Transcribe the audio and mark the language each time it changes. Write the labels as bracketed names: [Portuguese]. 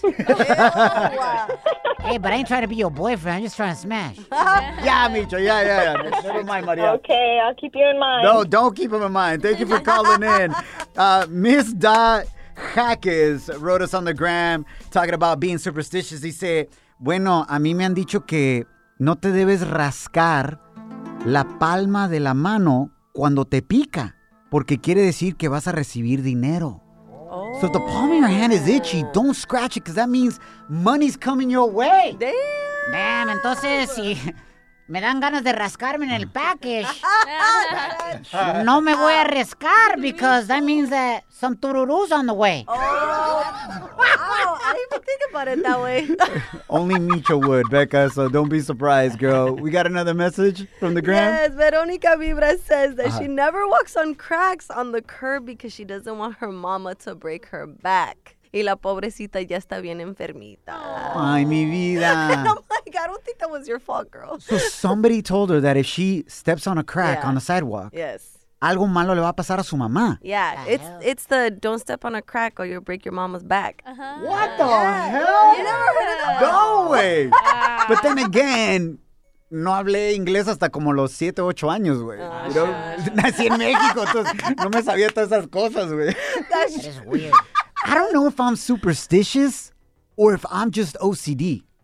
[English] Hey, but I ain't trying to be your boyfriend. I'm just trying to smash. Yeah, Micho. Yeah. Never mind, Maria. Okay, I'll keep you in mind. No, don't keep him in mind. Thank you for calling in. Miss Dot Jaquez wrote us on the gram talking about being superstitious. [Spanish] Dice, bueno, a mí me han dicho que no te debes rascar la palma de la mano cuando te pica, porque quiere decir que vas a recibir dinero. [English] So the palm of your hand is itchy. Don't scratch it, because that means money's coming your way. Damn, [Spanish] entonces, si me dan ganas de rascarme en el package, no me voy a arriesgar, [English] because that means that some tururus on the way. Oh, I didn't even think about it that way. Only Micho would, Becca, so don't be surprised, girl. We got another message from the gram. Yes, Veronica Vibra says that she never walks on cracks on the curb because she doesn't want her mama to break her back. [Spanish] Y la pobrecita ya está bien enfermita. Ay, mi vida. [English] I'm like, I don't think that was your fault, girl. So somebody told her that if she steps on a crack on the sidewalk, yes, [Spanish] algo malo le va a pasar a su mamá. [English] Yeah, it's the don't step on a crack or you'll break your mama's back. Uh-huh. What the hell? You never heard of that? Go away. But then again, [Spanish] no hablé inglés hasta como los 7, 8 años, güey. Nací en México, entonces no me sabía todas esas cosas, güey. [English] That's weird. I don't know if I'm superstitious or if I'm just OCD.